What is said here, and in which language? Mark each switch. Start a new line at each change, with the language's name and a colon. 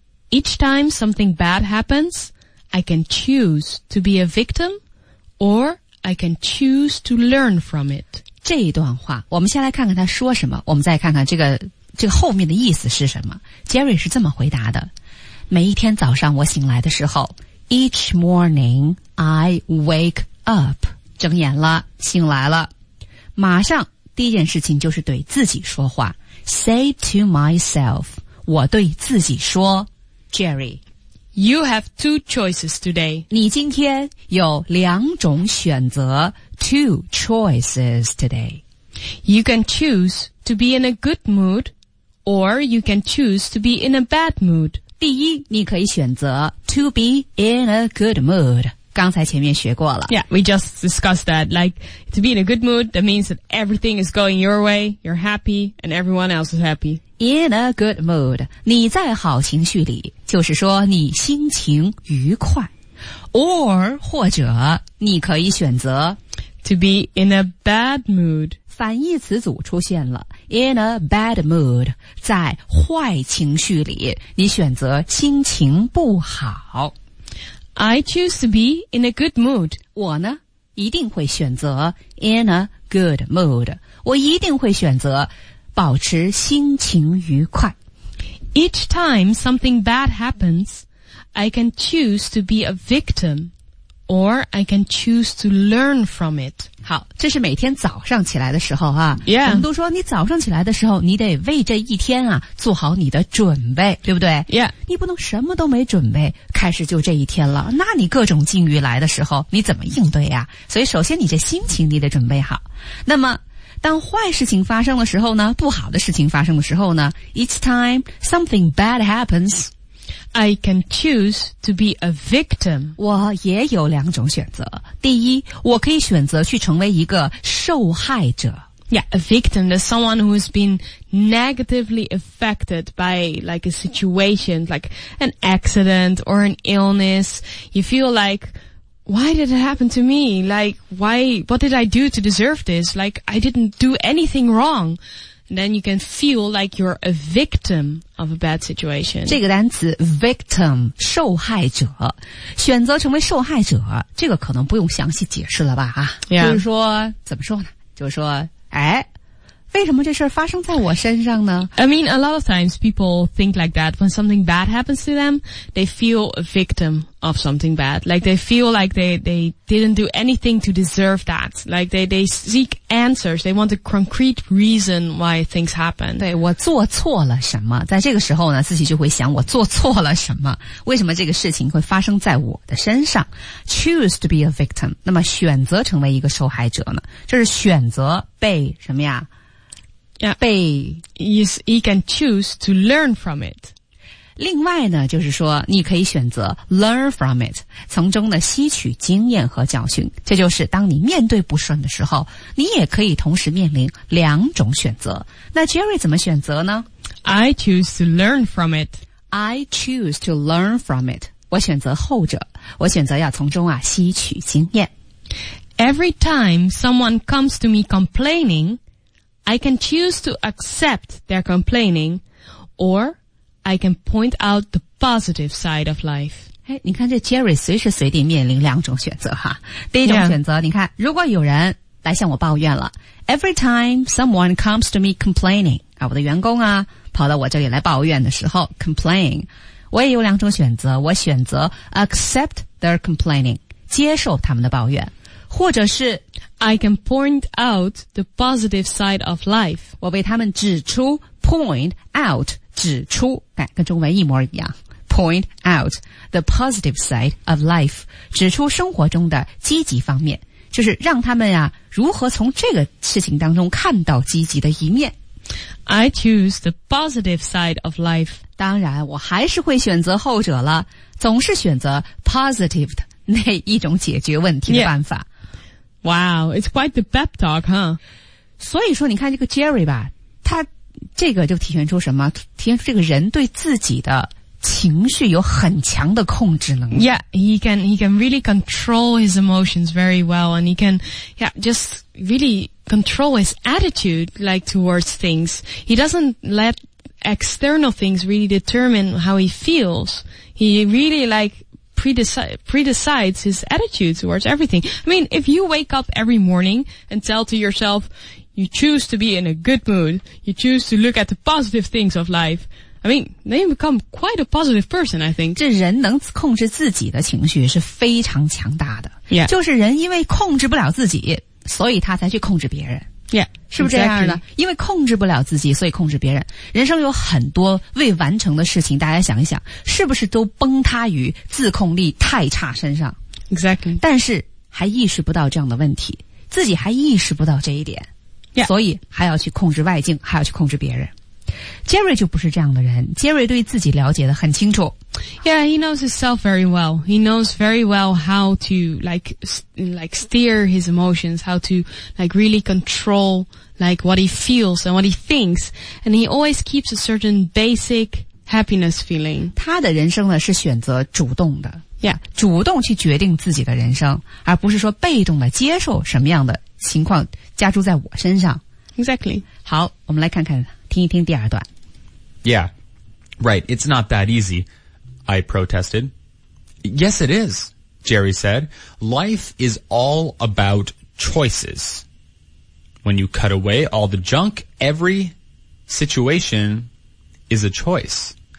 English: Each time something bad happens, I can choose to be a victim, or I can choose to learn from it.
Chinese: 这一段话，我们先来看看他说什么，我们再看看这个后面的意思是什么。 Jerry 是这么回答的：每一天早上我醒来的时候 ，
English: Each morning I wake up，
Chinese: 睁眼了，醒来了，马上第一件事情就是对自己说话。
English: Say to myself,
Chinese: 我对自己说 Jerry,
English: you have two choices today.
Chinese: 你今天有两种选择
English: two choices today. You can choose to be in a good mood, or you can choose to be in a bad mood.
Chinese: 第一，你可以选择
English: to be in a good mood.
Chinese: 刚才前面学过了。
English: Yeah, we just discussed that. Like, to be in a good mood, that means that everything is going your way, you're happy, and everyone else is happy. In a good mood,
Chinese: 你在好情绪里，就是说你心情愉快。 Or, 或者你可以选择
English: to be in a bad mood.
Chinese: 反义词组出现了。
English: In a bad mood,
Chinese: 在坏情绪里，你选择心情不好。
English: I choose to be in a good mood.
Chinese: 我呢，一定会选择
English: in a good mood.
Chinese: 我一定会选择保持心情愉快。
English: Each time something bad happens, I can choose to be a victim, or I can choose to learn from it.
Chinese: 好，这是每天早上起来的时候啊。
English: Yeah.
Chinese: 我们都说你早上起来的时候，你得为这一天啊，做好你的准备，对不对？
English: Yeah.
Chinese: 你不能什么都没准备，开始就这一天了，那你各种境遇来的时候，你怎么应对啊？所以首先你这心情你得准备好。那么，当坏事情发生的时候呢，不好的事情发生的时候呢，
English: each time something bad happens, I can choose to be a victim.
Chinese: 我也有两种选择。第一，我可以选择去成为一个受害者。
English: Yeah, a victim is someone who has been negatively affected by like a situation, like an accident or an illness. You feel like, why did it happen to me? Like, why, what did I do to deserve this? Like, I didn't do anything wrong. Then you can feel like you're a victim of a bad situation.
Chinese: 这个单词 victim, 受害者。选择成为受害者，这个可能不用详细解释了吧啊。
English: Yeah.
Chinese: 就是说，怎么说呢？就是说，哎，为什么这事发生在我身上呢？
English: I mean, a lot of times people think like that when something bad happens to them, they feel a victim of something bad. Like they feel like they didn't do anything to deserve that. Like they seek answers. They want a concrete reason why things happen.
Chinese: 对，我做错了什么？在这个时候呢，自己就会想我做错了什么？为什么这个事情会发生在我的身上？
English: Choose to be a victim.
Chinese: 那么选择成为一个受害者呢？这是选择被什么呀？
English: Yeah,
Chinese: 被
English: he can choose to learn from it.
Chinese: 另外呢，就是说你可以选择
English: learn from it,
Chinese: 从中的吸取经验和教训。这就是当你面对不顺的时候，你也可以同时面临两种选择。那 Jerry 怎么选择呢？
English: I choose to learn from it. I choose to learn from it.
Chinese: 我选择后者，我选择要从中啊吸取经验。
English: Every time someone comes to me complaining,I can choose to accept their complaining, or I can point out the positive side of life.
Chinese: 哎，你看这 Jerry 随时随地面临两种选择哈。第一种选择，你看，如果有人来向我抱怨了 ，
English: Every time someone comes to me complaining,
Chinese: 啊，我的员工啊跑到我这里来抱怨的时候 ，complain， 我也有两种选择，我选择
English: accept their complaining，
Chinese: 接受他们的抱怨，或者是。
English: I can point out the positive side of life.
Chinese: 我为他们指出
English: point out,
Chinese: 指出、哎、跟中文一模一样
English: point out the positive side of life,
Chinese: 指出生活中的积极方面，就是让他们啊如何从这个事情当中看到积极的一面。
English: I choose the positive side of life.
Chinese: 当然我还是会选择后者了，总是选择 positive 的那一种解决问题的办法。
English: Yeah. Wow, it's quite the pep talk, huh?
Chinese: 所以说你看这个 Jerry 吧，他这个就体现出什么？体现出这个人对自己的情绪有很强的控制能力。
English: Yeah, he can really control his emotions very well, and he can, yeah, just really control his attitude, like, towards things. He doesn't let external things really determine how he feels. He really, like,predecides his attitude towards everything. I mean, if you wake up every morning and tell to yourself, you choose to be in a good mood, you choose to look at the positive things of life, I mean, then you become quite a positive person, I think.
Chinese: 这人能控制自己的情绪是非常强大的。
English: Yeah.
Chinese: 就是人因为控制不了自己，所以他才去控制别人。
English: Yeah,
Chinese: 是不是这样的？
English: Exactly.
Chinese: 因为控制不了自己，所以控制别人。人生有很多未完成的事情，大家想一想，是不是都崩塌于自控力太差身上？
English: Exactly.
Chinese: 但是还意识不到这样的问题，自己还意识不到这一点。
English: Yeah.
Chinese: 所以还要去控制外境，还要去控制别人。Jerry 就不是这样的人。 Jerry 对自己了解得很清楚。
English: Yeah, he knows himself very well. He knows very well how to like steer his emotions, how to like really control like what he feels and what he thinks. And he always keeps a certain basic happiness feeling.
Chinese: 他的人生呢是选择主动的。
English: Yeah.
Chinese: 主动去决定自己的人生，而不是说被动的接受什么样的情况加注在我身上。
English: Exactly.
Chinese: 好，我们来看看，听一听第二段。
English: Yeah, right, it's not that easy, I protested. Yes, it is, Jerry said. Life is all about choices. When you cut away all the junk, every situation is a choice.